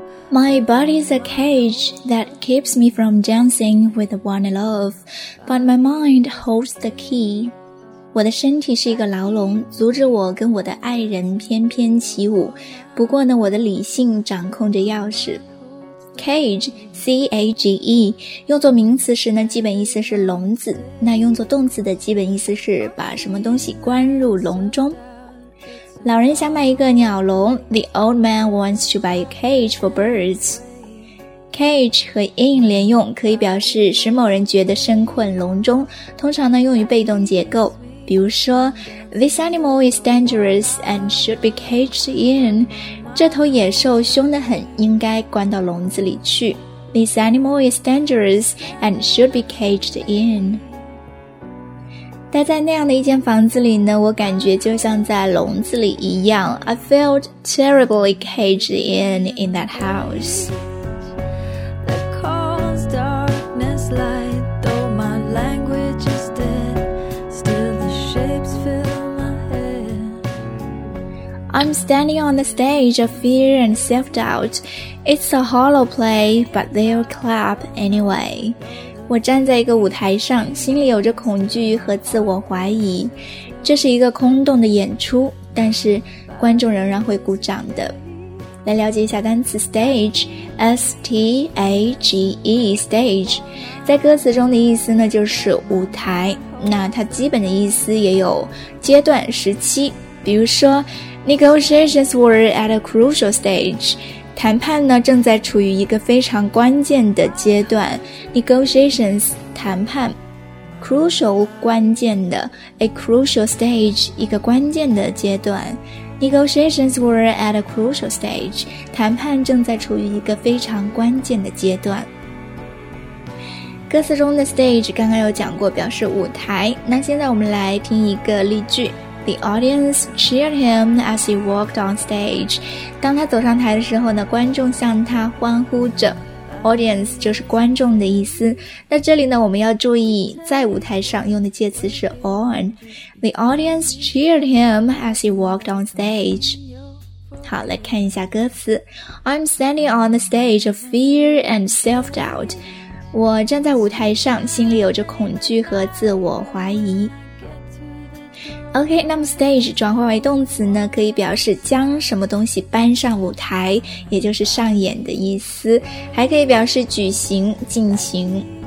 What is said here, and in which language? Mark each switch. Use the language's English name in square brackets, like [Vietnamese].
[English] My body's a cage that keeps me from dancing with the one I love, but my mind holds the key. [Chinese] 我的身体是一个牢笼，阻止我跟我的爱人翩翩起舞。不过呢，我的理性掌控着钥匙。Cage, C-A-G-E, 用作名词时呢，基本意思是笼子。那用作动词的基本意思是把什么东西关入笼中。老人想买一个鸟笼， [English] The old man wants to buy a cage for birds. [Chinese] Cage 和 in 连用，可以表示使某人觉得身困笼中，通常呢用于被动结构。比如说， [English] This animal is dangerous and should be caged in. [Chinese] 这头野兽凶得很，应该关到笼子里去。 [English] This animal is dangerous and should be caged in. [Chinese] 待在那样的一间房子里呢，我感觉就像在笼子里一样。 [English] I felt terribly caged in that house. The cold darkness light, though my language is dead, still the shapes fill my head. I'm standing on the stage of fear and self-doubt. It's a hollow play, but they'll clap anyway. [Chinese] 我站在一个舞台上，心里有着恐惧和自我怀疑。这是一个空洞的演出，但是观众仍然会鼓掌的。来了解一下单词 stage, S-T-A-G-E, stage. 在歌词中的意思呢，就是舞台。那它基本的意思也有阶段时期。比如说 [English] ,Negotiations were at a crucial stage. [Chinese] 谈判呢正在处于一个非常关键的阶段 ,negotiations, 谈判 ,crucial, 关键的 , [English] a crucial stage, [Chinese] 一个关键的阶段 , [English] negotiations were at a crucial stage, [Chinese] 谈判正在处于一个非常关键的阶段。歌词中的 stage 刚刚有讲过表示舞台，那现在我们来听一个例句。 [English] The audience cheered him as he walked on stage. [Chinese] 当他走上台的时候呢，观众向他欢呼着。 Audience 就是观众的意思。那这里呢，我们要注意在舞台上用的介词是 on. [English] The audience cheered him as he walked on stage. [Chinese] 好，来看一下歌词。 [English] I'm standing on the stage of fear and self-doubt. [Chinese] 我站在舞台上，心里有着恐惧和自我怀疑。 OK, 那么 stage 转换为动词呢，可以表示将什么东西搬上舞台，也就是上演的意思，还可以表示举行、进行。